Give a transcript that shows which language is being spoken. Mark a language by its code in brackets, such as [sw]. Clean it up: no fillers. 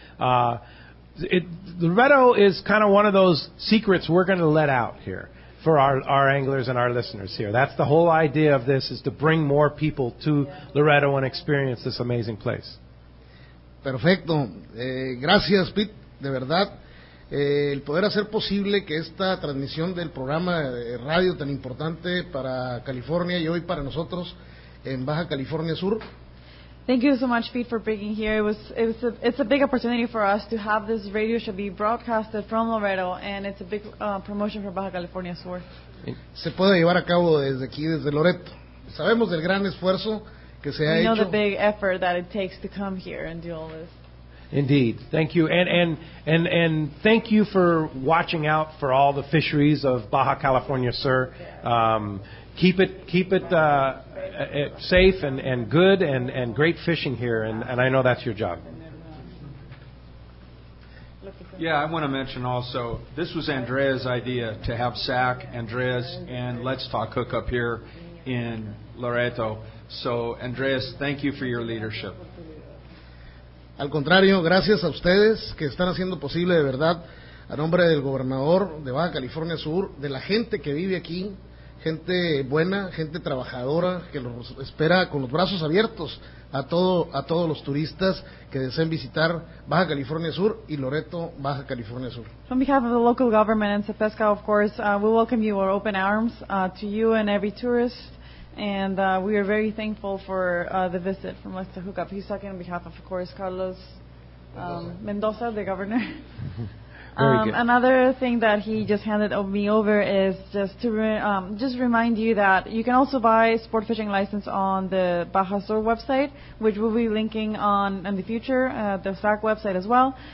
[en] Loretto is kind of one of those secrets we're going to let out here for our anglers and our listeners here. That's the whole idea of this, is to bring more people to Loretto and experience this amazing place. [es] Perfecto. Gracias, Pete. De verdad. El poder hacer posible que esta transmisión del programa de radio tan importante para California y hoy para nosotros en Baja California Sur. [en] Thank you so much, Pete, for being here. It's a big opportunity for us to have this radio show be broadcasted from Loretto, and it's a big promotion for Baja California Sur. [es] Se puede llevar a cabo desde aquí, desde Loretto. Sabemos del gran esfuerzo que se ha hecho. [en] We know the big effort that it takes to come here and do all this. Indeed, thank you, and thank you for watching out for all the fisheries of Baja California Sur. Keep it safe and good and great fishing here, and I know that's your job. Yeah, I want to mention also, this was Andrea's idea to have SAC, Andrea's, and Let's Talk Hook up here in Loretto. So, Andreas, thank you for your leadership. [es] Al contrario, gracias a ustedes que están haciendo posible de verdad, a nombre del gobernador de Baja California Sur, de la gente que vive aquí, gente buena, gente trabajadora, que los espera con los brazos abiertos a todos los turistas que deseen visitar Baja California Sur y Loretto, Baja California Sur. [en] On behalf of the local government and CEPESCA, of course, we welcome you with open arms to you and every tourist, and we are very thankful for the visit from Lester Hookup. He's talking on behalf of course, Carlos Mendoza, the governor. Another thing that he just handed me over is just to just remind you that you can also buy a sport fishing license on the Baja Sur website, which we'll be linking on in the future, the SAC website as well.